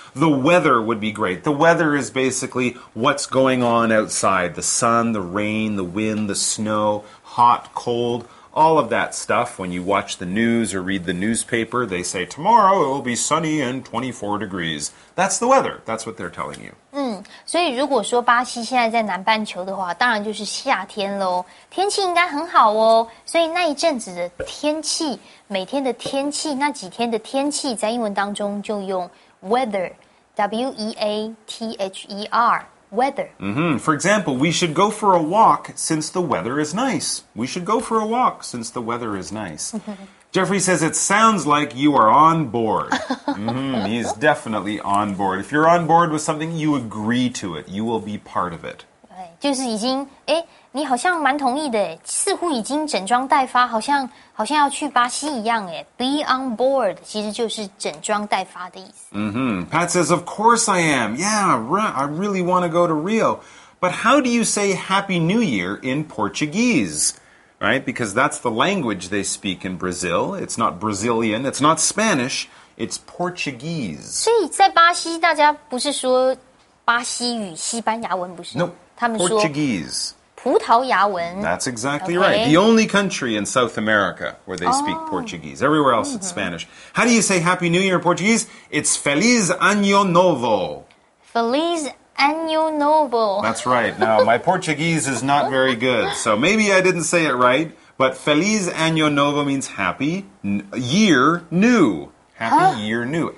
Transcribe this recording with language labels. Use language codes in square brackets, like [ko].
[en] The weather would be great. The weather is basically what's going on outside. The sun, the rain, the wind, the snow, hot, cold, all of that stuff. When you watch the news or read the newspaper, they say, tomorrow it will be sunny and 24 degrees. That's the weather. That's what they're telling you. [zh] 所以如果说巴西现在在南半球的话，当然就是夏天咯。天气应该很好哦。所以那一阵子的天气，每天的天气，那几天的天气，在英文当中就用 weather, W-E-A-T-H-E-R, weather. Mm-hmm. [en] For example, we should go for a walk since the weather is nice. We should go for a walk since the weather is nice. Jeffrey says, it sounds like you are on board. He is definitely on board. If you're on board with something, you agree to it. You will be part of it. [zh] 就是已经你好像蛮同意的，似乎已经整装待发，好像要去巴西一样。 [en] Be on board [zh] 其实就是整装待发的意思。 [en] Pat says, of course I am. Yeah, I really want to go to Rio. But how do you say Happy New Year in Portuguese? Right? Because that's the language they speak in Brazil. It's not Brazilian. It's not Spanish. It's Portuguese. [zh] 所以在巴西大家不是说巴西语西班牙文不是 [en] No, [zh] 他们说 [en] Portuguese. [zh] 葡萄牙文 [en] That's exactly right. The only country in South America where they speak Portuguese. Everywhere else it's Spanish. How do you say Happy New Year in Portuguese? [pt] It's Feliz Ano Novo. Feliz Ano Novo. [en] That's right. Now, my Portuguese is not very good, so maybe I didn't say it right, but [pt] Feliz Ano Novo [en] means Happy Year New. Happy Year New.